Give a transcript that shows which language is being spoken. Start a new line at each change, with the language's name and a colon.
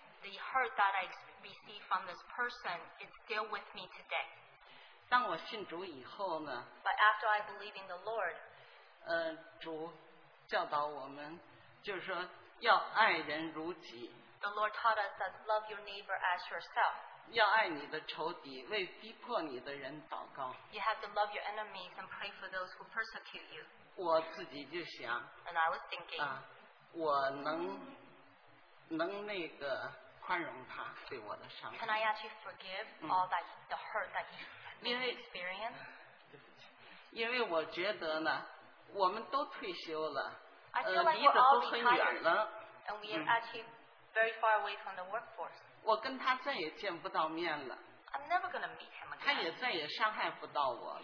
English: The hurt that I received from this person is still with me today.
Chinese: 当我信主以后呢，
English: But after I believe in the Lord,
Chinese: 主教导我们，就是说要爱人如己。
English: The Lord taught us that love your neighbor as yourself.
Chinese: 要爱你的仇敌，为逼迫你的人祷告。
English: You have to love your enemies and pray for those who persecute you.
Chinese: 我自己就想，
English: And I was thinking,
Chinese: 我能宽容他对我的伤害。
English: Can I actually forgive all that the hurt that you experienced?
Chinese: 因为我觉得呢， 我们都退休了，
English: I feel like we're all retired, and we have actually very far away from the workforce.
Chinese: 我跟他再也见不到面了。
English: I'm never going to meet him again.
Chinese: 他也再也伤害不到我了。